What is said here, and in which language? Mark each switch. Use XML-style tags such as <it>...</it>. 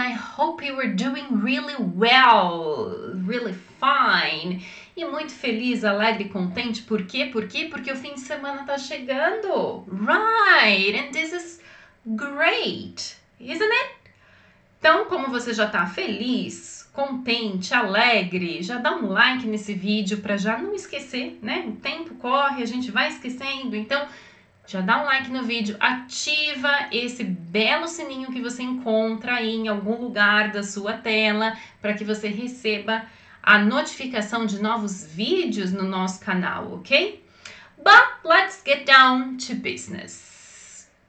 <en>I hope you are doing really well, really fine.</en> <pt>E muito feliz, alegre, contente. Por quê? Por quê? Porque o fim de semana tá chegando.</pt> <en>Right, and this is great, isn't it?</en> <pt>Então, como você já tá feliz, contente, alegre, já dá um like nesse vídeo para já não esquecer, né? O tempo corre, a gente vai esquecendo. Então, já dá um like no vídeo, ativa esse belo sininho que você encontra aí em algum lugar da sua tela para que você receba a notificação de novos vídeos no nosso canal, ok?</pt> <en>But let's get down to business.</en>